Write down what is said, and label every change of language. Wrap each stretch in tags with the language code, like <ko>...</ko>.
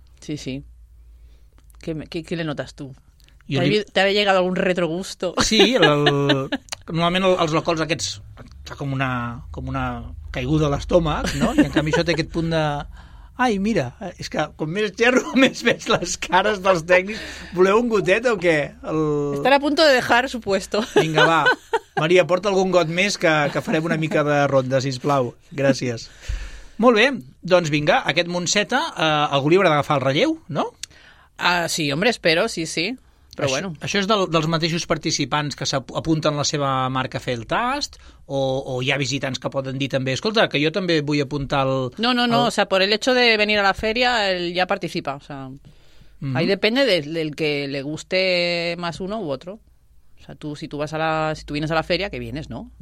<ca>Sí, sí. Què le notes tu? T'ha llegat algun retrogusto? Sí, normalment els alcohols aquests fa com una caiguda a l'estómac, no? I en canvi això té aquest punt de... Ai, mira, és que com més xerro, més veig les cares dels tècnics. Voleu un gotet o què? Estan a punt de deixar</ca> <es>su puesto.</es> <ca>Vinga, va. Maria, porta algun got més que farem una mica de ronda, sisplau. Gràcies. Molt bé, doncs vinga, aquest Montseta, algú li haurà d'agafar el relleu, no? Sí, home, espero, sí, sí. Però això, bueno. Això és dels mateixos participants que s'apunten la seva marca a fer el tast o hi ha visitants que poden dir també, escolta, que jo també vull apuntar el...</ca> <es>No, o sea, por el hecho de venir a la feria, él ya participa, o sea, uh-huh. Ahí depende del que le guste más uno u otro. O sea, tú, si tú vienes a la feria, que vienes, ¿no?</es>